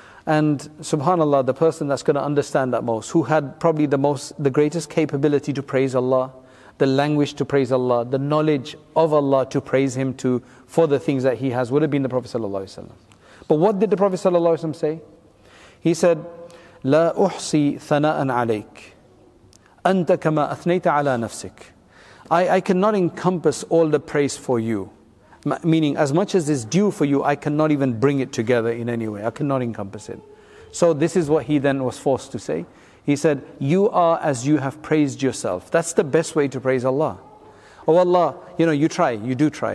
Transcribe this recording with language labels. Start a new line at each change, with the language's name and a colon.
English: And subhanAllah, the person that's going to understand that most, who had probably the greatest capability to praise Allah, the language to praise Allah, the knowledge of Allah to praise Him to, for the things that he has, would have been the Prophet sallallahu alaihi wasallam. But what did the Prophet sallallahu alaihi wasallam say? He said,
Arabic: لا أحصي ثناء عليك أنت كما أثنيت على نفسك.
English: I cannot encompass all the praise for you. Meaning, as much as is due for you, I cannot even bring it together in any way. I cannot encompass it. So this is what he then was forced to say. He said, you are as you have praised yourself. That's the best way to praise Allah. Oh Allah, you know, you do try.